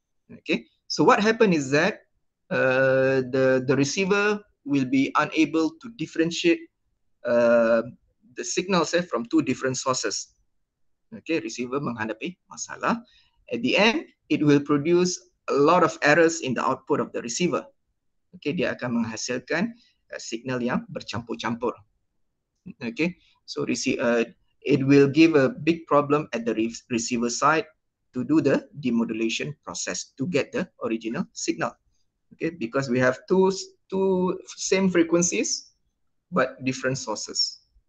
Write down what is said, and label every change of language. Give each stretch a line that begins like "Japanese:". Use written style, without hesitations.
English: Okay, so what happened is that the receiver will be unable to differentiate the signals from two different sources. Okay, receiver
Malay: menghadapi masalah.
English: At the end, it will produce a lot of errors in the output of the receiver.
Malay: Okay, dia akan menghasilkan signal yang bercampur-campur.
English: Okay, so it will give a big problem at the receiver side to do the demodulation process to get the original signal. Okay, because we have two same frequencies but different sources.